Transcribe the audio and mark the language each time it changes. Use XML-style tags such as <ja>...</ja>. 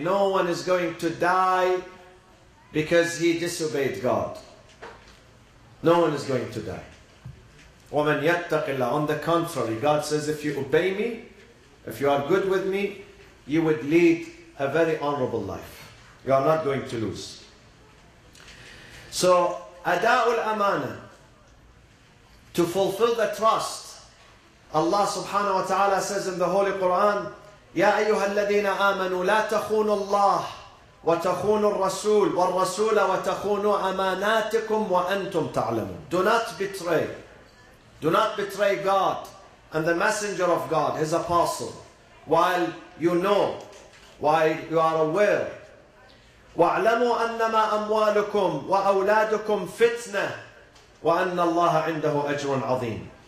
<en>No one is going to die because he disobeyed God. No one is going to die.</en> <ar>وَمَنْ يَتَّقِ اللَّهِ.</ar> <en>On the contrary, God says, if you obey me, if you are good with me, you would lead a very honorable life. You are not going to lose. So,</en> <ar>أَدَاءُ الْأَمَانَةِ.</ar> <en>To fulfill the trust. Allah subhanahu wa ta'ala says in the Holy Quran,</en> <ar>يَا أَيُّهَا الَّذِينَ آمَنُوا لَا تَخُونُوا اللَّهِ وَتَخُونُوا الرَّسُولَ وَالرَّسُولَ وَتَخُونُوا أَمَانَاتِكُمْ وَأَنْتُمْ تَعْلَمُونَ.</ar> <en>Do not betray. Do not betray God and the messenger of God, his apostle, while you know, while you are aware.</en> <ar>وَاعْلَمُوا أَنَّمَا أَمْوَالُكُمْ وَأَوْلَادُكُمْ فِتْنَةٌ وَأَنَّ اللَّهَ عِنْدَهُ أَجْرٌ عَظِيمٌ.</ar>